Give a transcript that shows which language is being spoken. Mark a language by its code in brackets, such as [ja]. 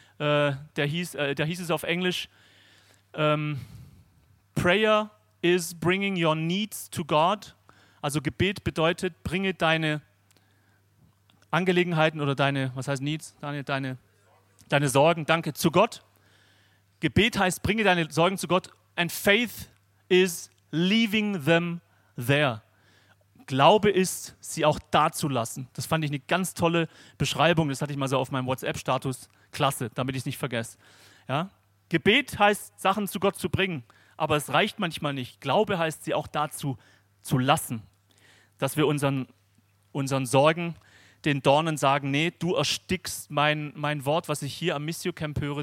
[de] Der hieß es auf Englisch, [en] Prayer is bringing your needs to God. [de] Also Gebet bedeutet, bringe deine Angelegenheiten oder deine, was heißt Needs, Daniel, deine Sorgen, danke, zu Gott. Gebet heißt, bringe deine Sorgen zu Gott. [en] And faith is leaving them there. [de] Glaube ist, sie auch da zu lassen. Das fand ich eine ganz tolle Beschreibung. Das hatte ich mal so auf meinem WhatsApp-Status. Klasse, damit ich es nicht vergesse. Ja? Gebet heißt, Sachen zu Gott zu bringen. Aber es reicht manchmal nicht. Glaube heißt, sie auch dazu zu lassen. Dass wir unseren Sorgen, den Dornen sagen, nee, du erstickst mein Wort, was ich hier am Missio Camp höre.